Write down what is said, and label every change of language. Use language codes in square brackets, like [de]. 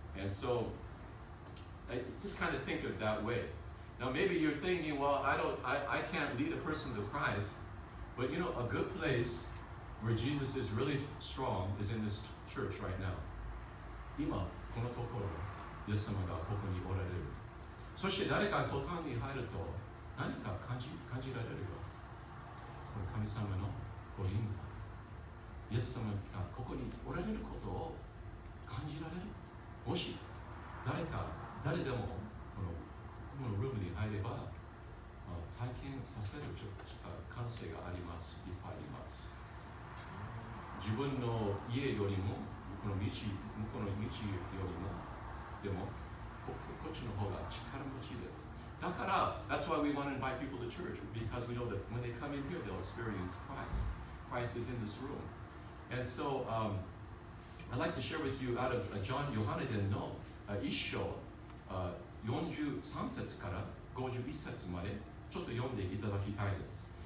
[en] And so, I just kind of think of it that way. Now maybe you're thinking, well, I can't lead a person to Christ, but you know, a good place where Jesus is really strong is in this church right now. [ja] 今, この所, Yes-sama がここにおられる。そして誰か途端に入ると、何か感じられるよ。この神様の御臨在。Yes-sama がここにおられることを感じられる。もし誰か誰でもこのここのルームに入れば、体験させる可能性があります、いっぱいあります。自分の家よりもこの道、向こうの道よりも、でも、こっちの方が力持ちです。だから、 [en] that's why we want to invite people to church, because we know that when they come in here, they'll experience Christ. Christ is in this room. And so, I'd like to share with you out of John, Yohanan no, [ja] 一章、43節から51節まで、ちょっと読んでいただきたいです。